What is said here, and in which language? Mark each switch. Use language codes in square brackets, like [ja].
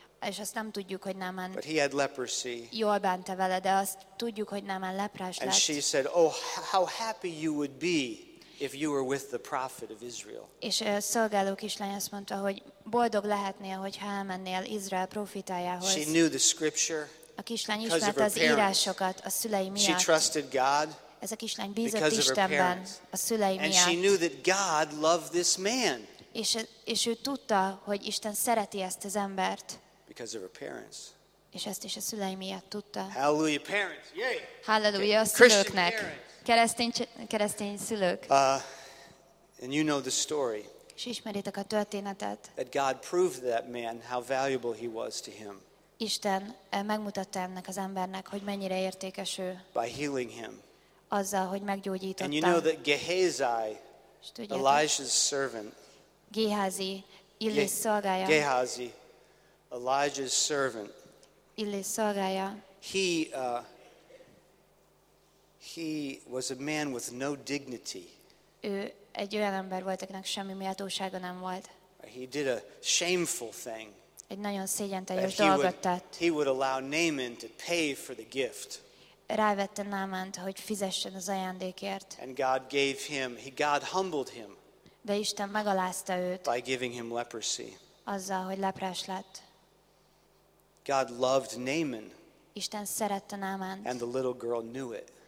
[hu] És azt nem tudjuk, hogy Naaman. [en] But he had leprosy. [hu] Jól bánta vele, de azt tudjuk, hogy Naaman leprás lett. [en] And she said, "Oh, how happy you would be if you were with the prophet of Israel." [hu] És a szolgáló kislány azt mondta, hogy boldog lehetnél, hogyha elmennél Izrael prófétájához. [en] She knew the scripture. [hu] A kislány ismerte az írásokat a szülei miatt. [en] She trusted God. [hu] Ez a kislány bízott Istenben a szülei miatt. [en] And she knew that God loved this man. [hu] És ő tudta, hogy Isten szereti ezt az embert. [en] Because of her parents. [hu] És ezt is a szülei miatt tudta. [en] Hallelujah, parents. Yay. [hu] Hallelujah, a szülőknek. Keresztény szülők. [en] And you know the story. [hu] És ismeritek a történetet. [en] That God proved that man how valuable he was to him. [hu] Isten megmutatta ennek az embernek, hogy mennyire értékes ő. [en] By healing him. [hu] Azzal, hogy meggyógyította. [en] And you know that Gehazi, Elijah's servant. [hu] Gehazi, Illés szolgája. [en] Gehazi, Elijah's servant. [hu] Illés szolgája. [en] He was a man with no dignity. [hu] Ő egy olyan ember volt, akinek semmi méltósága nem volt. [en] He did a shameful thing. [hu] Egy nagyon szégyenteljes dolgot tett. [en] He would allow Naaman to pay for the gift. [hu] Rávette Naamant, hogy fizessen az ajándékért. [en] And God gave him, God humbled him. [hu] De Isten megalázta őt. [en] By giving him leprosy. [hu] Azzal, hogy leprás lett. [en] God loved Naaman. [hu] Isten szerette Naamant. [en] And the little girl knew it.